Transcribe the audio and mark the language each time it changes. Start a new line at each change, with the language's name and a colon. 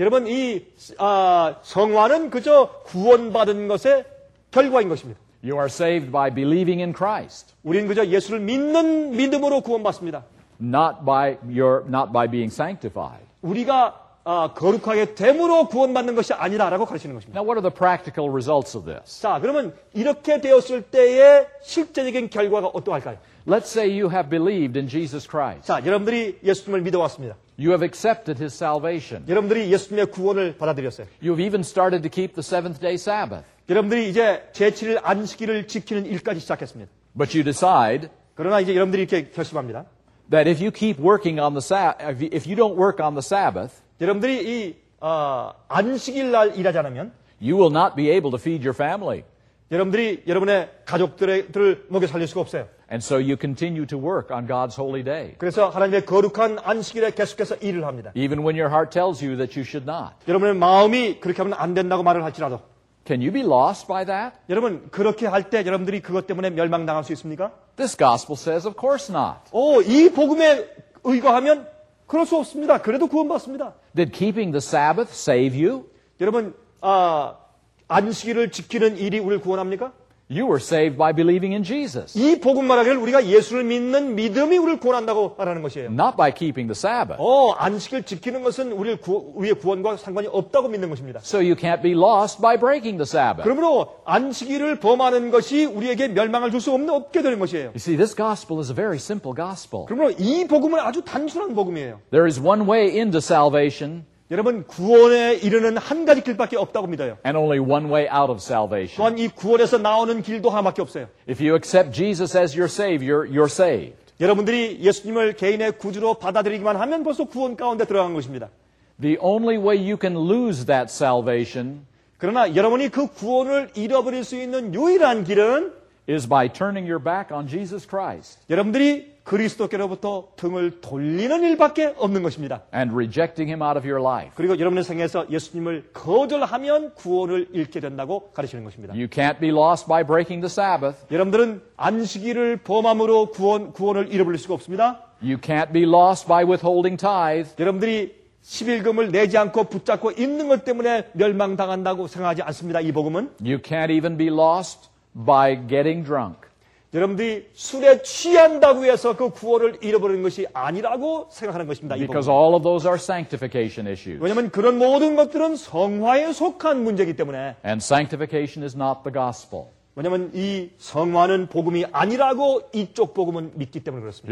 Korean: 여러분, 이 성화는 그저 구원받은 것의 결과인 것입니다.
English: You are saved by believing in Christ.
Korean: 우리는 그저 예수를 믿는 믿음으로 구원받습니다.
English: Not by being sanctified.
Korean: 우리가 거룩하게 됨으로 구원받는 것이 아니다라고 가르치는 것입니다.
English: Now, what are the practical results of this?
Korean: 자, 그러면 이렇게 되었을 때의 실제적인 결과가 어떠할까요?
English: Let's say you have believed in Jesus Christ.
Korean: 자, 여러분들이 예수님을 믿어왔습니다.
English: You have accepted His salvation.
Korean: 여러분들이 예수님의 구원을 받아들였어요.
English: You've even started to keep the seventh day Sabbath.
Korean: 여러분들이 이제 제7일 안식일을 지키는 일까지 시작했습니다.
English: But you decide.
Korean: 그러나 이제 여러분들이 이렇게 결심합니다.
English: That if you keep working on the Sabbath, if you don't work on the Sabbath.
Korean: 여러분들이 이 안식일 날 일하지 않으면
English: you will not be able to feed your family.
Korean: 여러분들이 여러분의 가족들을 먹여 살릴 수가 없어요.
English: And so you continue to work on God's holy day.
Korean: 그래서 하나님의 거룩한 안식일에 계속해서 일을 합니다.
English: Even when your heart tells you that you should not.
Korean: 여러분의 마음이 그렇게 하면 안 된다고 말을 할지라도
English: Can you be lost by that?
Korean: 여러분 그렇게 할 때 여러분들이 그것 때문에 멸망당할 수 있습니까?
English: This gospel says of course not.
Korean: 이 복음에 의거하면 그럴 수 없습니다. 그래도 구원받습니다.
English: Did keeping the Sabbath save you?
Korean: 여러분, 안식일을 지키는 일이 우리를 구원합니까?
English: You were saved by believing in Jesus.
Korean: 이 복음 말하기를 우리가 예수를 믿는 믿음이 우리를 구원한다고 말하는 것이에요.
English: Not by keeping the Sabbath.
Korean: 안식일 지키는 것은 우리의 구원과 상관이 없다고 믿는 것입니다.
English: So you can't be lost by breaking the Sabbath.
Korean: 그러므로 안식일을 범하는 것이 우리에게 멸망을 줄 수 없게 되는 것이에요.
English: You see, this gospel is a very simple gospel.
Korean: 그러므로 이 복음은 아주 단순한 복음이에요.
English: There is one way into salvation.
Korean: 여러분 구원에 이르는 한 가지 길밖에 없다고 믿어요.
English: And only one way out of salvation.
Korean: 또한 이 구원에서 나오는 길도 하나밖에 없어요.
English: If you accept Jesus as your Savior, you're saved.
Korean: 여러분들이 예수님을 개인의 구주로 받아들이기만 하면 벌써 구원 가운데 들어간 것입니다.
English: The only way you can lose that salvation.
Korean: 그러나 여러분이 그 구원을 잃어버릴 수 있는 유일한 길은
English: is by turning your back on Jesus Christ.
Korean: 여러분들이 그리스도께로부터 등을 돌리는 일밖에 없는 것입니다.
English: And rejecting him out of your life.
Korean: 그리고 여러분의 생에서 예수님을 거절하면 구원을 잃게 된다고 가르치는 것입니다.
English: You can't be lost by breaking the Sabbath.
Korean: 여러분들은 안식일을 범함으로 구원을 잃어버릴 수가 없습니다.
English: You can't be lost by withholding tithe.
Korean: 여러분들이 십일금을 내지 않고 붙잡고 있는 것 때문에 멸망당한다고 생각하지 않습니다. 이 복음은.
English: You can't even be lost by getting drunk.
Korean: 여러분들이 술에 취한다고 해서 그 구원을 잃어버리는 것이 아니라고 생각하는 것입니다.
English: Because all of those are sanctification issues.
Korean: 왜냐하면 그런 모든 것들은 성화에 속한 문제이기 때문에.
English: And sanctification is not the gospel.
Korean: 왜냐하면 이 성화는 복음이 아니라고 이쪽 복음은 믿기 때문에 그렇습니다.